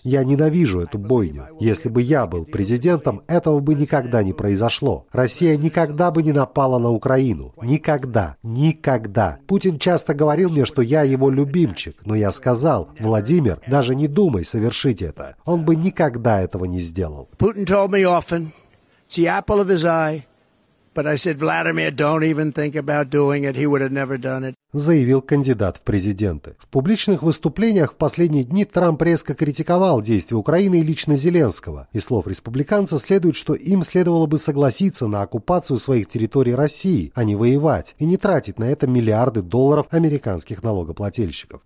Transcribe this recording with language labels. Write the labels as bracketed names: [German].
[Russian] Я ненавижу эту бойню. Если бы я был президентом, этого бы никогда не произошло. Россия никогда бы не напала на Украину. Никогда. Никогда. Путин часто говорил мне, что я его любимчик. Но я сказал, Владимир, даже не думай совершить это. Он бы никогда этого не сделал. [English] Путин told me often, it's the apple of his eye. But I said, Vladimir, don't even think about doing it. He would have never done it. [Russian] Заявил кандидат в президенты. В публичных выступлениях в последние дни Трамп резко критиковал действия Украины и лично Зеленского. Из слов республиканца следует, что им следовало бы согласиться на оккупацию своих территорий России, а не воевать, и не тратить на это миллиарды долларов американских налогоплательщиков.